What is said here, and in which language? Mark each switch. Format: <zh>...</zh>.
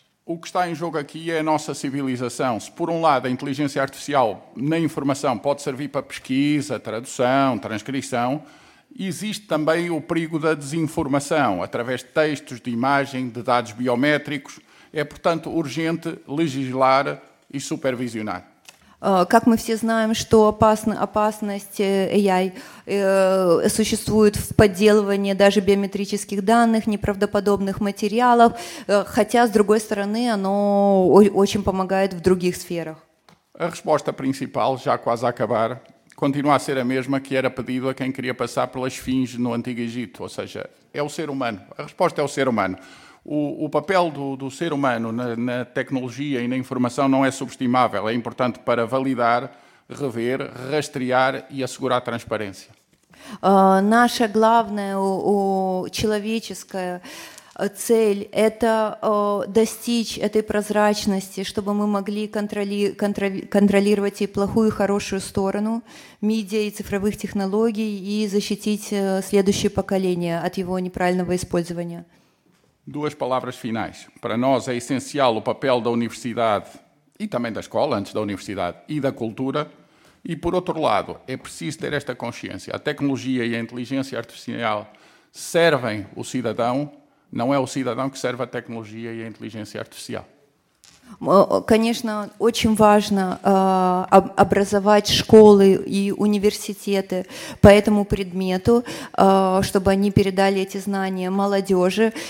<pt>O que está em jogo aqui é a nossa civilização. Se, por um lado, a inteligência artificial na informação pode servir para pesquisa, tradução, transcrição, existe também o perigo da desinformação, através de textos, de imagem, de dados biométricos. É, portanto, urgente legislar e supervisionar.</pt> <ru>Как мы все знаем, что опасность AI существует в подделывании даже биометрических данных, неправдоподобных материалов, хотя, с другой стороны, оно очень помогает в других сферах.</ru> <pt>A resposta principal, já quase a acabar, continua a ser a mesma que era pedido a quem queria passar pelas esfinges no Antigo Egito, ou seja, é o ser humano. A resposta é o ser humano. O papel do ser humano na tecnologia e na informação não é subestimável, é importante para validar, rever, rastrear e assegurar a transparência.</pt> <ru>Наша главная, человеческая цель – это достичь этой прозрачности, чтобы мы могли контролировать и плохую, и хорошую сторону медиа и цифровых технологий и защитить следующее поколение от его неправильного использования.</ru> <pt>Duas palavras finais. Para nós é essencial o papel da universidade e também da escola, antes da universidade, e da cultura. E, por outro lado, é preciso ter esta consciência. A tecnologia e a inteligência artificial servem o cidadão, não é o cidadão que serve a tecnologia e a inteligência artificial.</pt> <ru>Конечно, очень важно образовать школы и университеты по этому предмету, чтобы они передали эти знания молодежи.</ru>